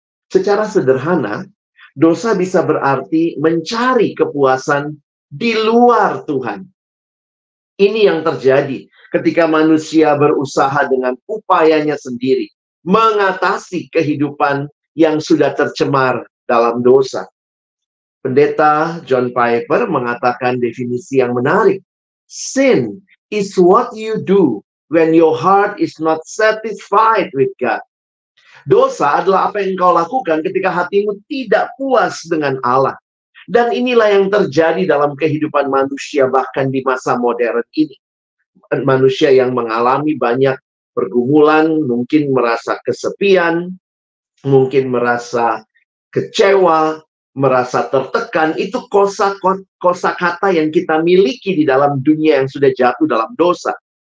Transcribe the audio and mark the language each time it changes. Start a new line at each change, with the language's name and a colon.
Indonesian: Secara sederhana, dosa bisa berarti mencari kepuasan di luar Tuhan. Ini yang terjadi ketika manusia berusaha dengan upayanya sendiri mengatasi kehidupan yang sudah tercemar dalam dosa. Pendeta John Piper mengatakan definisi yang menarik.
English: Sin is what you do when your heart is not satisfied with God.
Indonesian: Dosa adalah apa yang engkau lakukan ketika hatimu tidak puas dengan Allah. Dan inilah yang terjadi dalam kehidupan manusia bahkan di masa modern ini. Manusia yang mengalami banyak pergumulan, mungkin merasa kesepian, mungkin merasa kecewa, merasa tertekan, itu kosakata yang kita miliki di dalam dunia yang sudah jatuh dalam dosa.